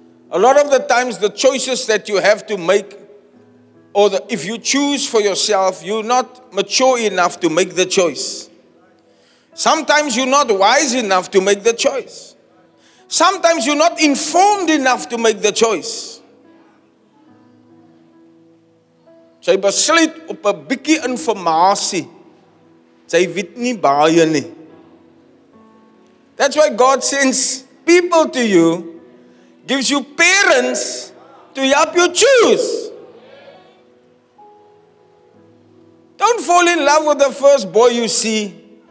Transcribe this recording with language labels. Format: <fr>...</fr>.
<en>A lot of the times, the choices that you have to make, if you choose for yourself, you're not mature enough to make the choice. Sometimes you're not wise enough to make the choice. Sometimes you're not informed enough to make the choice.</en> <af>Jy besluit op 'n bietjie informasie. Jy weet nie baie nie.</af> <en>That's why God sends people to you, gives you parents to help you choose. Don't fall in love with the first boy you see.</en>